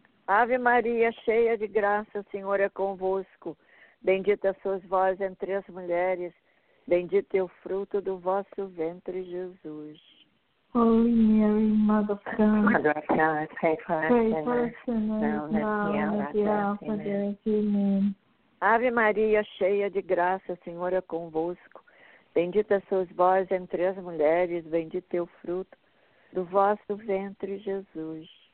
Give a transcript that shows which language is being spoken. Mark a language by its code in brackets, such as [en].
[pt] Ave Maria, cheia de graça, o Senhor é convosco. Bendita sois vós entre as mulheres, bendito é o fruto do vosso ventre, Jesus. [en] Holy Mary, Mother of God, pray for us sinners now and at the hour of death. [pt] Ave Maria, cheia de graça, o Senhor é convosco. Bendita sois vós entre as mulheres, bendito é o fruto do vosso ventre, Jesus.